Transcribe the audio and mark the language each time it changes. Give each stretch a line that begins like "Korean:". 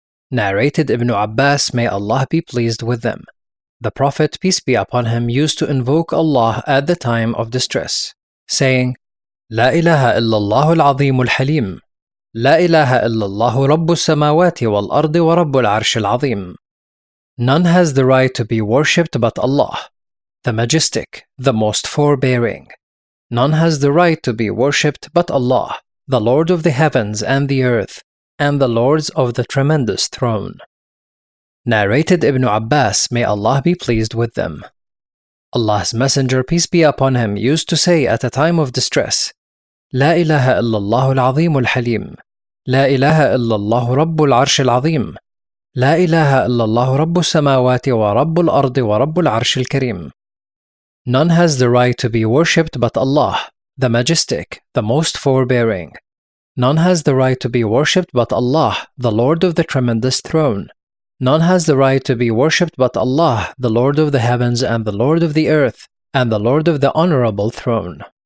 English: Narrated Ibn Abbas, may Allah be pleased with them, the Prophet, peace be upon him, used to invoke Allah at the time of distress, saying,
Arabic: لا إله إلا الله العظيم الحليم لا إله إلا الله رب السماوات والأرض ورب العرش العظيم.
English: None has the right to be worshipped but Allah, the Majestic, the Most Forbearing. None has the right to be worshipped but Allah, the Lord of the heavens and the earth, and the Lords of the Tremendous Throne. Narrated Ibn Abbas, may Allah be pleased with them, Allah's Messenger, peace be upon him, used to say at a time of distress,
Arabic: لا إله إلا الله العظيم الحليم لا إله إلا الله رب العرش العظيم لا إله إلا الله رب السماوات ورب الأرض ورب العرش الكريم.
English: None has the right to be worshipped but Allah, the Majestic, the Most Forbearing. None has the right to be worshipped but Allah, the Lord of the Tremendous Throne. None has the right to be worshipped but Allah, the Lord of the heavens and the Lord of the earth, and the Lord of the Honorable Throne.